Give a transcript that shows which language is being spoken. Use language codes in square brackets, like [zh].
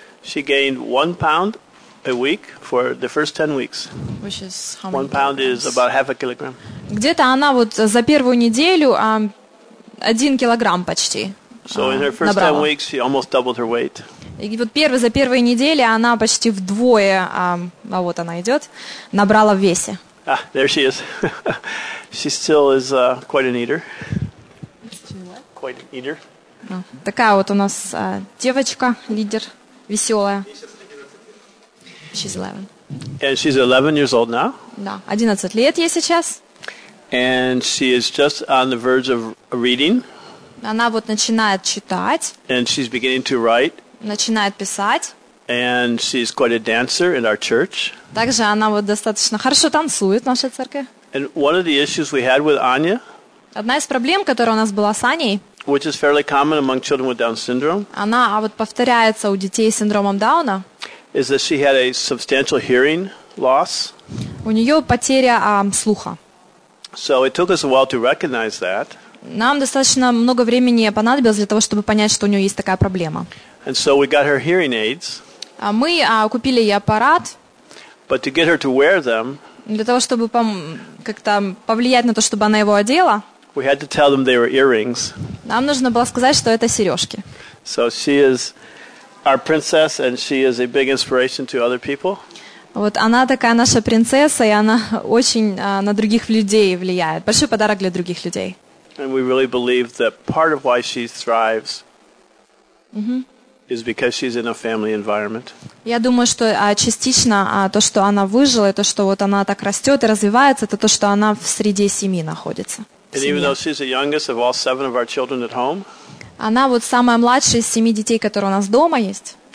[en] she gained 1 pound a week for the first 10 weeks. Which is how many? 1 pound is about half a kilogram. [ru] Где-то она вот за первую неделю 1 килограмм почти. [en] So in her first 10 weeks she almost doubled her weight. [ru] И вот за первые недели она почти вдвое, вот она идет, набрала в весе. [en] Ah, there she is. She still is quite an eater. Quite an eater. [ru] Такая вот у нас девочка, лидер. Веселая. [en] She's 11. And she's 11 years old now? [ru] Да, 11 лет ей сейчас. [en] And she is just on the verge of reading. [ru] Она вот начинает читать. [en] And she's beginning to write. [ru] Начинает писать. [en] And she's quite a dancer in our church. [ru] Также она вот достаточно хорошо танцует в нашей церкви. [en] And one of the issues we had with Anya. [ru] Одна из проблем, которая у нас была с Аней. [en] Which is fairly common among children with Down syndrome. [ru] Она вот повторяется у детей с синдромом Дауна. [en] Is that she had a substantial hearing loss. [ru] У нее потеря слуха. [en] So it took us a while to recognize that. [ru] Нам достаточно много времени понадобилось для того, чтобы понять, что у нее есть такая проблема. [en] And so we got her hearing aids. [ru] Мы купили ей аппарат. [en] But to get her to wear them. [ru] Для того, чтобы как-то повлиять на то, чтобы она его одела. [en] We had to tell them they were earrings. [ru] Нам нужно было сказать, что это сережки. [en] So she is our princess, and she is a big inspiration to other people. [ru] Вот она такая наша принцесса, и она очень на других людей влияет. Большой подарок для других людей. [en] And we really believe that part of why she thrives is because she's in a family environment. [ru] Я думаю, что частично то, что она выжила, и то, что вот она так растет и развивается, это то, что она в среде семьи находится. [en] And even though she's the youngest of all seven of our children at home, [ru] она вот самая младшая из семи детей, которые у нас дома есть.